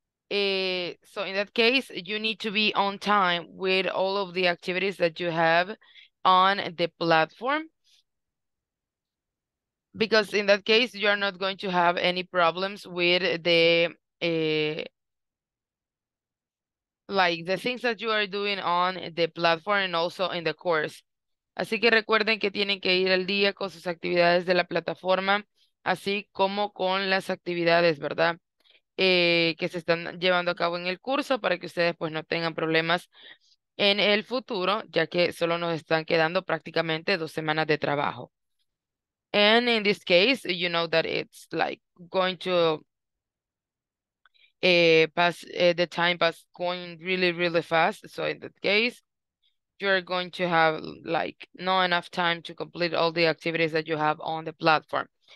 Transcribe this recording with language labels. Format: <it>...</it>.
<en>So in that case you need to be on time with all of the activities that you have on the platform, because in that case you are not going to have any problems with the things that you are doing on the platform and also in the course.</en> <es>Así que recuerden que tienen que ir al día con sus actividades de la plataforma, así como con las actividades, ¿verdad? Que se están llevando a cabo en el curso para que ustedes pues no tengan problemas en el futuro, ya que solo nos están quedando prácticamente 2 semanas de trabajo.</es> <en>And in this case, you know that it's like going to the time pass going really fast. So in that case, you're going to have like not enough time to complete all the activities that you have on the platform.</en>